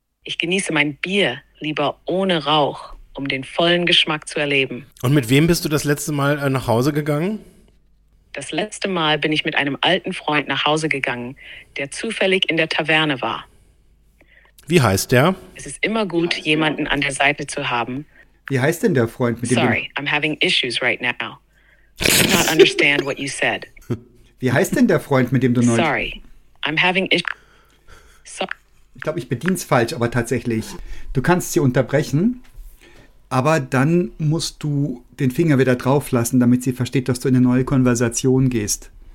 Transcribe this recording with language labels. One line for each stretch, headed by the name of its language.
German: Ich genieße mein Bier lieber ohne Rauch, um den vollen Geschmack zu erleben. Und mit wem bist du das letzte Mal nach Hause gegangen? Das letzte Mal bin ich mit einem alten Freund nach Hause gegangen, der zufällig in der Taverne war. Wie heißt der? Es ist immer gut, jemanden an der Seite zu haben. Wie heißt denn der Freund mit dem?
English: Sorry, I'm having issues right now. I do not understand what you said.
German: Wie heißt denn der Freund, mit dem du neulich?
English: Sorry, I'm having issues.
German: Ich glaube, ich bediene es falsch, aber tatsächlich. Du kannst sie unterbrechen, aber dann musst du den Finger wieder drauf lassen, damit sie versteht, dass du in eine neue Konversation gehst.